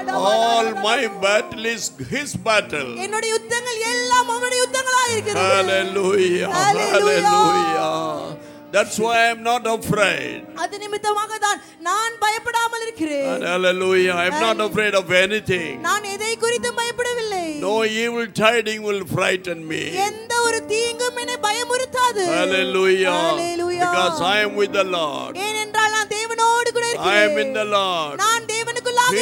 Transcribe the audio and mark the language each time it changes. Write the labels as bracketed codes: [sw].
[en] All my battle is his battle. [ta] என்னுடைய யுத்தங்கள் எல்லாம் அவருடைய யுத்தங்களாய் இருக்கிறது. [en] Hallelujah. Hallelujah. That's why I'm not afraid. [ta] அது நிமித்தமாக தான் நான் பயப்படாமல் இருக்கிறேன். [en] Hallelujah. I'm not afraid of anything. [ta] நான் எதை குறித்தும் பயப்படவில்லை. [en] No evil tiding will frighten me. [ta] எந்த ஒரு தீங்கும் என்னை பயமுறுத்தாது. [en] Hallelujah. Hallelujah. Because I am with the Lord. [ta] ஏனென்றால் நான் தேவனோடு கூட [en] I am in the Lord. [ta] Naan devanukullaga